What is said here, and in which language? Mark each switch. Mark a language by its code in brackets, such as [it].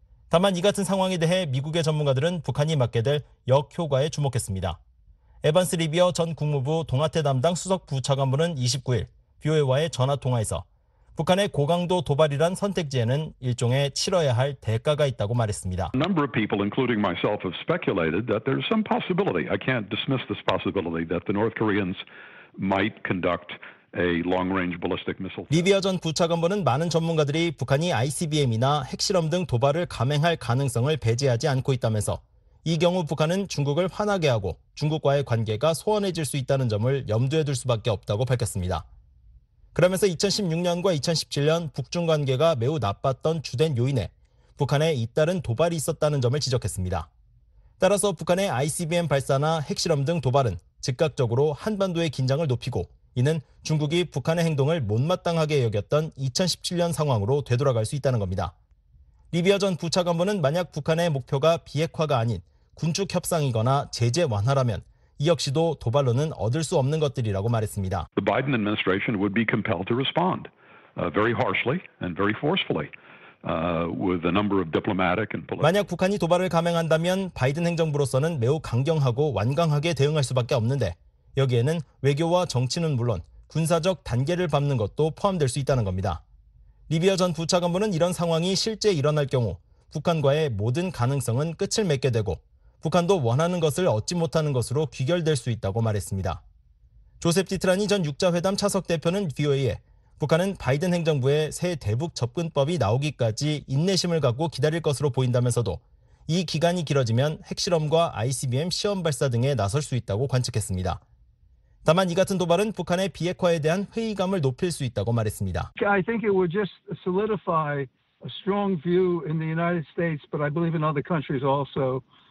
[ko] 다만 이 같은 상황에 대해 미국의 전문가들은 북한이 맞게 될 역효과에 주목했습니다. 에반스 리비어 전 국무부 동아태 담당 수석 부차관부는 29일 BOA와의 전화통화에서 북한의 고강도 도발이란 선택지에는 일종의 치러야 할 대가가 있다고 말했습니다. [en] A number of people, including myself, have speculated that there's some possibility. I can't dismiss this possibility that the North Koreans might conduct a long-range ballistic missile. [ko] 리비어 전 부차관부는 많은 전문가들이 북한이 ICBM이나 핵실험 등 도발을 감행할 가능성을 배제하지 않고 있다면서 이 경우 북한은 중국을 화나게 하고 중국과의 관계가 소원해질 수 있다는 점을 염두에 둘 수밖에 없다고 밝혔습니다. 그러면서 2016년과 2017년 북중 관계가 매우 나빴던 주된 요인에 북한의 잇따른 도발이 있었다는 점을 지적했습니다. 따라서 북한의 ICBM 발사나 핵실험 등 도발은 즉각적으로 한반도의 긴장을 높이고 이는 중국이 북한의 행동을 못마땅하게 여겼던 2017년 상황으로 되돌아갈 수 있다는 겁니다. 리비어 전 부차관부는 만약 북한의 목표가 비핵화가 아닌 군축 협상이거나 제재 완화라면 이 역시도 도발로는 얻을 수 없는 것들이라고 말했습니다. [en] The Biden administration would be compelled to respond very harshly and very forcefully with a number of diplomatic and political. [ko] 만약 북한이 도발을 감행한다면 바이든 행정부로서는 매우 강경하고 완강하게 대응할 수밖에 없는데 여기에는 외교와 정치는 물론 군사적 단계를 밟는 것도 포함될 수 있다는 겁니다. 리비어 전 부차관부는 이런 상황이 실제 일어날 경우 북한과의 모든 가능성은 끝을 맺게 되고 북한도 원하는 것을 얻지 못하는 것으로 귀결될 수 있다고 말했습니다. 조셉 디트라니 전 6자회담 차석 대표는 VOA에 북한은 바이든 행정부의 새 대북 접근법이 나오기까지 인내심을 갖고 기다릴 것으로 보인다면서도 이 기간이 길어지면 핵실험과 ICBM 시험 발사 등에 나설 수 있다고 관측했습니다. 다만 이 같은 도발은 북한의 비핵화에 대한 회의감을 높일 수 있다고 말했습니다. [en] I think it would just solidify a strong view in the United States, but I believe in other countries also.